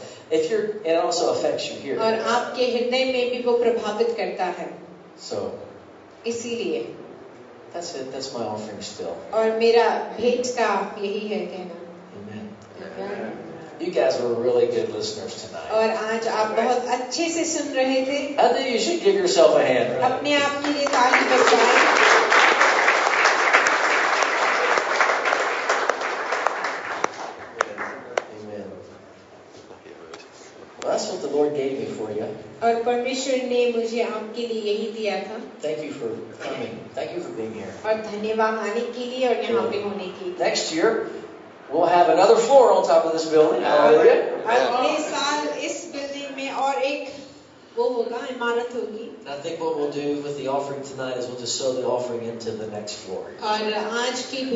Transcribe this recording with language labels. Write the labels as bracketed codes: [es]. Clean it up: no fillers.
[en] It also affects you here. [hi] और आपके हृदय में भी वो प्रभावित करता है. [en] So. [hi] इसीलिए. [en] That's it. That's my offering still. [hi] और मेरा भेंट का यही है कहना. [en] Amen. You guys were really good listeners tonight. [hi] और आज आप बहुत अच्छे से सुन रहे थे. [en] I think you should give yourself a hand. [hi] अपने आप के लिए ताली बजाएं. [en] Amen. Well, that's what the Lord gave me for you. [hi] और परमेश्वर ने मुझे आपके लिए यही दिया था. [en] Thank you for coming. Thank you for being here. [hi] और धन्यवाद आने के लिए और यहाँ पे होने के लिए. [en] Next year. We'll have another floor on top of this building. Hallelujah. I think what we'll do with the offering tonight is we'll just sow the offering into the next floor.